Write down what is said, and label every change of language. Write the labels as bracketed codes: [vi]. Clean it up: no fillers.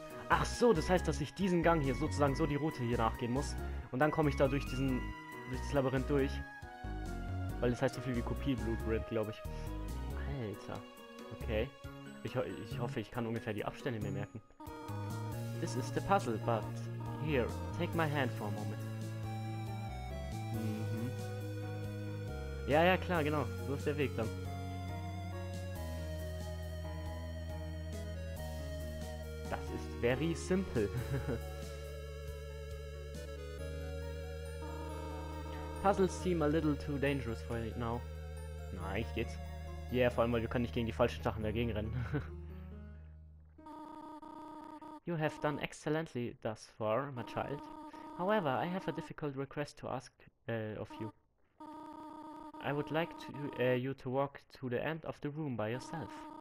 [de] Ach so, das heißt, dass ich diesen Gang hier sozusagen so die Route hier nachgehen muss. Und dann komme ich da durch diesen. Durch das Labyrinth durch. Weil das heißt so viel wie Kopie Blueprint, glaube ich. Alter. Okay. Ich hoffe, ich kann ungefähr die Abstände mir merken. [en] This is the puzzle, but here, take my hand for a moment. [de] Mhm. Ja, ja, klar, genau. So ist der Weg dann. Das ist [en] very simple. Puzzles seem a little too dangerous for you now. [de] Na, eigentlich geht's. Ja, yeah, vor allem, weil wir können nicht gegen die falschen Sachen dagegen rennen. [en] You have done excellently thus far, my child. However, I have a difficult request to ask of you. I would like to, you to walk to the end of the room by yourself.